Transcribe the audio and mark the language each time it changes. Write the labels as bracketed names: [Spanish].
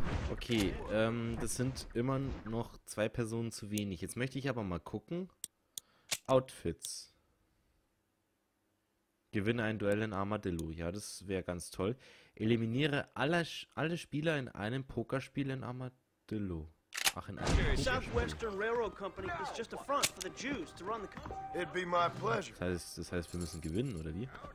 [German] Okay, das sind immer noch zwei Personen zu wenig. Jetzt möchte ich aber mal gucken. Outfits. Gewinne ein Duell in Armadillo. Ja, das wäre ganz toll. Eliminiere alle Spieler in einem Pokerspiel in Armadillo. Ach, in einem Pokerspiel. [English] Southwestern Railroad Company is just a front for the Jews to run the company. It'd be my pleasure. [German] Das heißt, wir müssen gewinnen, oder wie?